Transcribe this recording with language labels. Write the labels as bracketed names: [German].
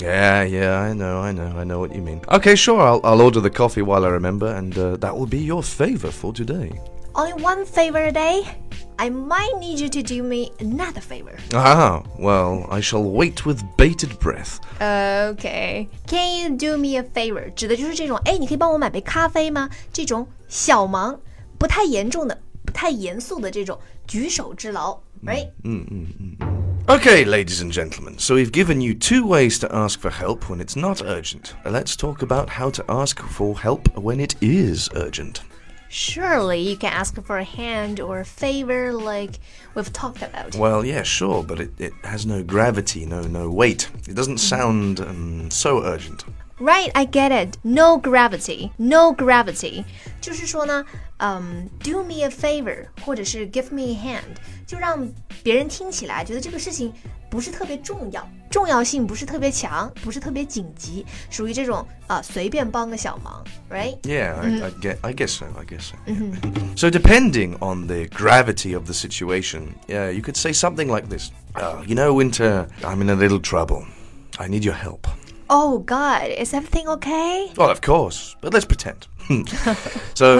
[English] Yeah, I know what you mean. Okay, sure, I'll order the coffee while I remember, and that will be your favor for today. Only one favor a day? I might need you to do me another favor. Ah, well, I shall wait with bated breath. Okay. Can you do me a favor? [Chinese] 指的就是这种，哎，你可以帮我买杯咖啡吗？这种小忙，不太严重的，不太严肃的这种举手之劳 ， [English] right? Okay, ladies and gentlemen, so we've given you 2 ways to ask for help when it's not urgent. Let's talk about how to ask for help when it is urgent. Surely you can ask for a hand or a favor like we've talked about. Well, yeah, sure, but it has no gravity, no weight. It doesn't sound so urgent. Right, I get it. No gravity, no gravity. [Chinese] 就是说呢 [English] do me a favor, [Chinese] 或者是 [English] give me a hand, [Chinese] 就让别人听起来觉得这个事情不是特别重要。重要性不是特别强，不是特别紧急，属于这种随便帮个小忙 ， [English] right? Yeah, I guess so. So depending on the gravity of the situation, yeah, you could say something like this. You know, Winter, I'm in a little trouble. I need your help. Oh God, is everything okay? Well, of course, but let's pretend. So,